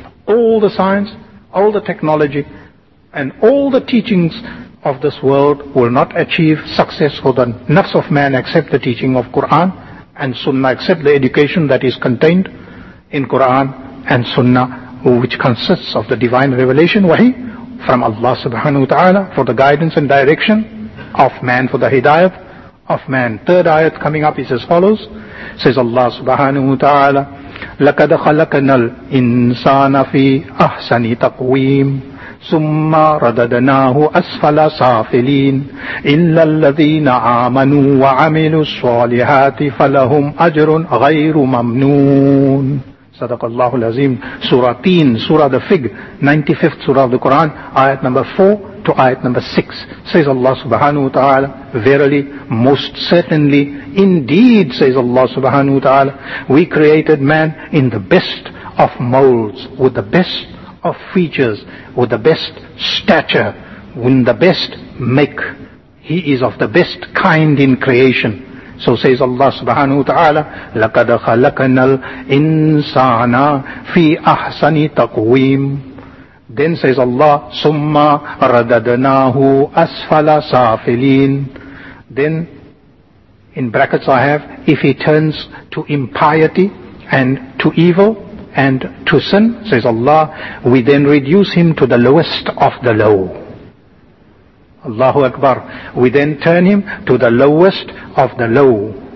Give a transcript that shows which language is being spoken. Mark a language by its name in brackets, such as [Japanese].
[English] All the science, all the technology and all the teachings of this world will not achieve success for the nafs of man except the teaching of Quran and sunnah, except the education that is contained in Quran and sunnah, which consists of the divine revelation, wahi, from Allah subhanahu wa ta'ala for the guidance and direction of man, for the hidayat of man. Third ayat coming up is as follows. Says Allah subhanahu wa ta'ala, [Arabic] لَكَدْ خَلَقَنَا الْإِنسَانَ فِي أَحْسَنِ تَقْوِيمٍ ثُمَّ رَدَدْنَاهُ أَسْفَلَ سَافِلِينَ إِلَّا الَّذِينَ آمَنُوا وَعَمِلُوا الصَّالِحَاتِ فَلَهُمْ أَجْرٌ غَيْرُ مَمْنُونَ. [English] Sadaqallahu al-Azim. Surah 3, Surah the Fig, 95th Surah of the Quran, ayat number 4 to ayat number 6. Says Allah subhanahu wa ta'ala, verily, most certainly, indeed, says Allah subhanahu wa ta'ala, we created man in the best of molds, with the best of features, with the best stature, with the best make. He is of the best kind in creation. So says Allah subhanahu wa ta'ala, [Arabic] لَقَدْ خَلَقَنَا الْإِنسَانَ فِي أَحْسَنِ تَقْوِيمٍ. [English] Then says Allah, [Arabic] ثُمَّ رَدَدْنَاهُ أَسْفَلَ سَافِلِينَ. [English] Then, in brackets I have, if he turns to impiety and to evil and to sin, says Allah, we then reduce him to the lowest of the low. Allahu Akbar. We then turn him to the lowest of the low.